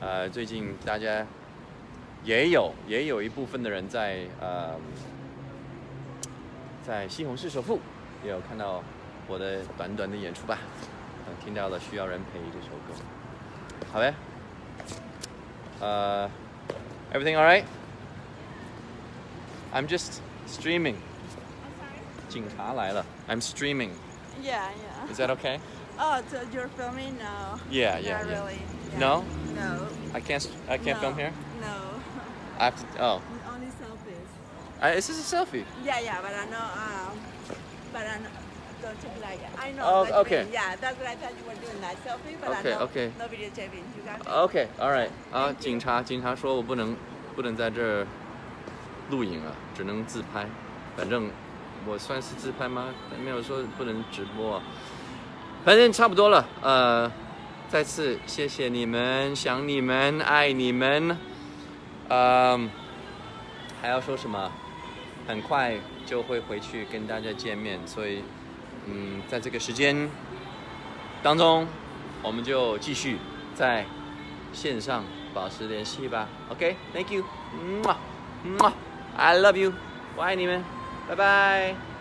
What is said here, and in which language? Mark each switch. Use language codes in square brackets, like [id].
[zh] 最近大家也有一部分的人在西红柿首富，也有看到我的短短的演出吧，听到了《需要人陪》这首歌，好呗。 [en] Everything all right? I'm just streaming. I'm sorry. [zh] 警察来了。 [en] I'm streaming. Yeah, yeah. Is that okay? Oh, so you're filming now? Yeah, yeah. Not really. Yeah. No? No. I can't film here? No. I have to. Oh. Only selfies. Is this a selfie? Yeah, yeah, but I know. But I know. Don't take like it. I know. Oh, okay. Yeah, that's what I thought you were doing that selfie, but okay, I know. Okay. No video taping. You got it. Okay. All right. [zh] 警察说我不能在这儿录影啊，只能自拍。反正我算是自拍吗？没有说不能直播。反正差不多了。再次谢谢你们，想你们，爱你们。还要说什么？很快就会回去跟大家见面，所以。在这个时间当中，我们就继续在线上保持联系吧。 OK， [en] Thank you， [zh] 嘛嘛 ， [en] I love you， [zh] 我爱你们，拜拜。